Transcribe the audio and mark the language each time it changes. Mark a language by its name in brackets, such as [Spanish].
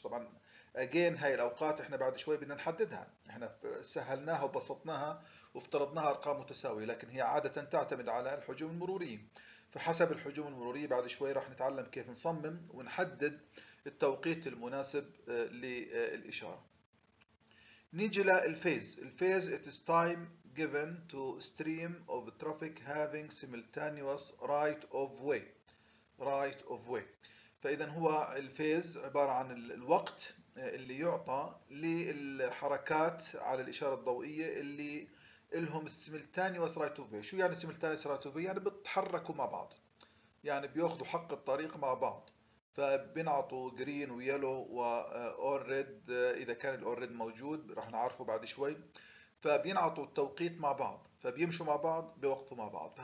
[Arabic] طبعا أجين هاي الأوقات إحنا بعد شوي بدنا نحددها، إحنا سهلناها وبسطناها وافترضناها أرقام متساوية، لكن هي عادة تعتمد على الحجوم المروري. فحسب الحجوم المروري بعد شوي راح نتعلم كيف نصمم ونحدد التوقيت المناسب للإشارة. نيجي للفيز. [English] الفيز it is time given to stream of traffic having simultaneous right of way. Right of way. [Arabic] فإذا هو الفيز عبارة عن الوقت اللي يعطى للحركات على الإشارة الضوئية اللي لهم [English] simultaneous right of way. [Arabic] شو يعني simultaneous right of way؟ يعني بتحركوا مع بعض، يعني بياخذوا حق الطريق مع بعض، فبنعطوا جرين ويلو وأورد إذا كان الأورد موجود راح نعرفه بعد شوي، فبينعطوا التوقيت مع بعض، فبيمشوا مع بعض بوقفوا مع بعض.